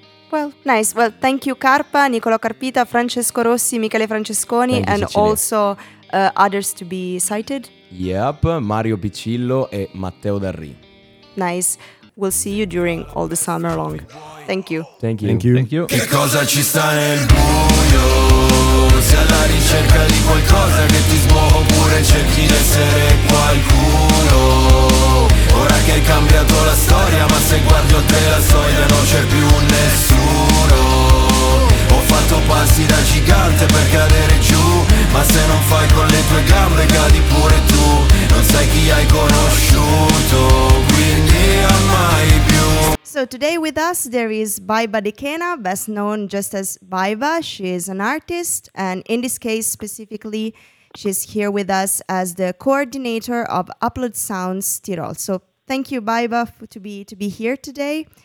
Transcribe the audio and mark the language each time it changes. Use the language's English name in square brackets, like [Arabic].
[English] Well, nice. Well, thank you, Carpa, Nicolò Carpita, Francesco Rossi, Michele Francesconi, and also others to be cited. Yep, Mario Piccillo e Matteo Darri. Nice. We'll see you during all the summer long. Thank you. Thank you. Thank you. [Italian] Che cosa ci sta nel buio? Sei alla ricerca di qualcosa che ti smuova oppure cerchi di essere qualcuno? Ora che hai cambiato la storia, ma se guardi oltre la soglia non c'è più nessuno. Ho fatto passi da gigante per cadere giù, ma se non fai con le tue gambe cadi pure tu. Non sai chi hai conosciuto, quindi mai più. [English] So today with us there is Baiba De Kena, best known just as Baiba. She is an artist, and in this case specifically, she's here with us as the coordinator of Upload Sounds Tirol. So thank you, Baiba, to be here today.